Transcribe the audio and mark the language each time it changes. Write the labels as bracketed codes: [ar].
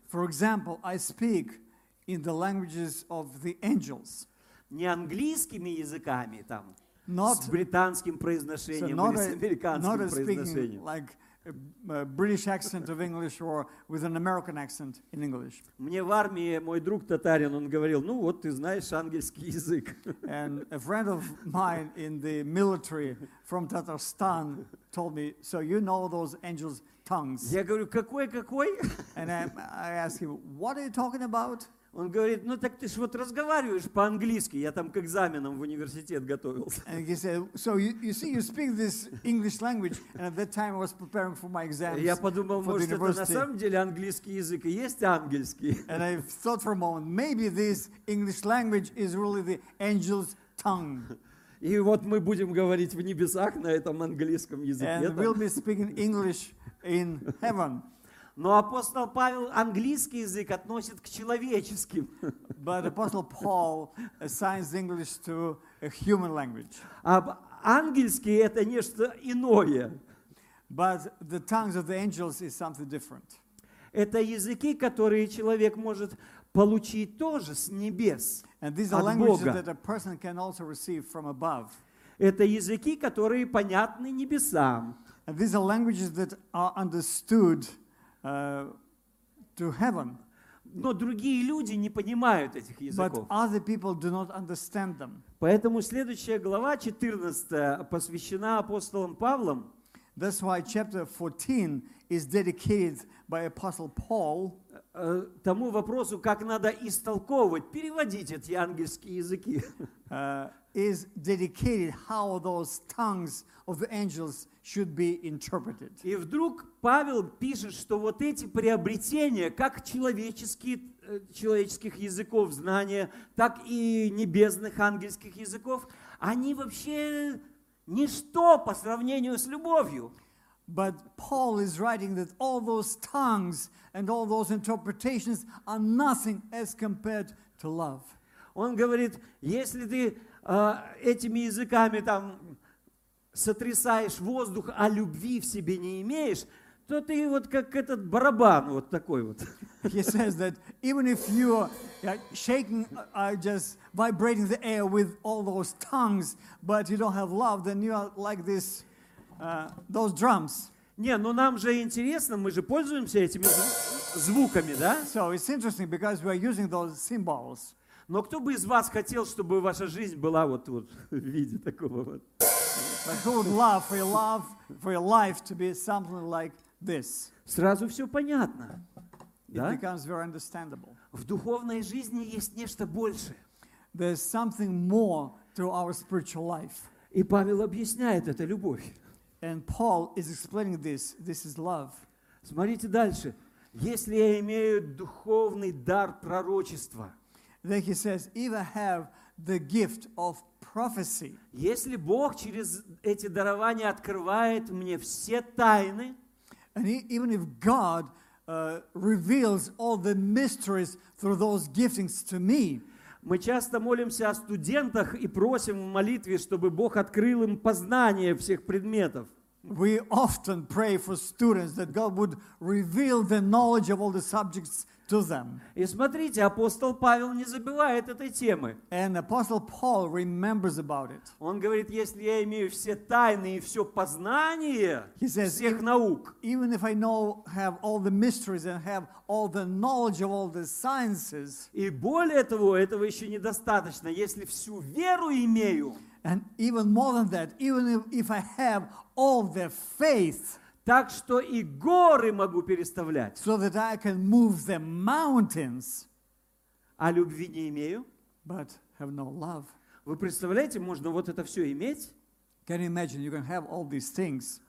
[en] For example, I speak in the languages of the angels. [ru] Не английскими языками, там, not, с британским произношением so или с американским произношением. [en] Like British accent of English or with an American accent in English. [ru] Мне в армии мой друг татарин, он говорил, ну вот ты знаешь ангельский язык. [en] And a friend of mine in the military from Tatarstan told me, so you know those angels' tongues. [ru] Я говорю, какой? [en] And I asked him, what are you talking about? [ru] Он говорит, ну так ты ж вот разговариваешь по-английски, я там к экзаменам в университет готовился. [en] And he said, so you see, you speak this English language, and at that time I was preparing for my exams. [ru] Я подумал, может, это на самом деле английский язык и есть ангельский. [en] And I thought for a moment, maybe this English language is really the angel's tongue. [ru] И вот мы будем говорить в небесах на этом английском языке. [en] And we'll be speaking English in heaven. [ru] Но апостол Павел английский язык относит к человеческим. [en] But apostle Paul assigns English to a human language. [ru] А ангельский это нечто иное. [en] But the tongues of the angels is something different. [ru] Это языки, которые человек может получить тоже с небес. [en] And these are languages that a person can also receive from above. [ru] Это языки, которые понятны небесам. [en] And these are languages that are understood to heaven. [ru] Но другие люди не понимают этих языков. [en] But other people do not understand them. [ru] Поэтому следующая глава, 14, посвящена апостолам Павлом. [en] That's why chapter 14 is dedicated by Apostle Paul [ru] тому вопросу, как надо истолковывать, переводить эти ангельские языки. [en] Is dedicated how those tongues of the angels should be interpreted. [ru] И вдруг Павел пишет, что вот эти приобретения, как человеческих языков знания, так и небесных ангельских языков, они вообще ничто по сравнению с любовью. [en] But Paul is writing that all those tongues and all those interpretations are nothing as compared to love. [ru] Он говорит, если ты этими языками там сотрясаешь воздух, а любви в себе не имеешь, то ты вот как этот барабан вот такой вот. [en] He says that even if you are shaking, just vibrating the air with all those tongues, but you don't have love, then you are like this, those drums. [ru] Не, ну нам же интересно, мы же пользуемся этими звуками, да? [en] So it's interesting because we are using those symbols. [ru] Но кто бы из вас хотел, чтобы ваша жизнь была вот в виде такого вот? [en] But who would love for your love, for your life to be something like this? [ru] Сразу все понятно. [en] It becomes very understandable. [ru] В духовной жизни есть нечто большее. [en] There's something more to our spiritual life. [ru] И Павел объясняет это любовь. [en] And Paul is explaining this. This is love. [ru] Смотрите дальше. Если я имею духовный дар пророчества. [en] Then he says, if I have the gift of prophecy, [ru] если Бог через эти дарования открывает мне все тайны, [en] and even if God reveals all the mysteries through those giftings to me, [ru] мы часто молимся о студентах и просим в молитве, чтобы Бог открыл им познание всех предметов. [en] We often pray for students that God would reveal the knowledge of all the subjects to them. [ru] И смотрите, апостол Павел не забывает этой темы. [en] And apostle Paul remembers about it. [ru] Он говорит, если я имею все тайны и все познание всех наук, [en] even if I know have all the mysteries and have all the knowledge of all the sciences, [ru] и более того, этого еще недостаточно, если всю веру имею. [en] And even more than that, even if I have all the faith, [ru] так что и горы могу переставлять, [en] so that I can move the mountains, [ru] а любви не имею, [en] but have no love. [ru] Вы представляете, можно вот это все иметь? [en] Can you imagine you can have all these things?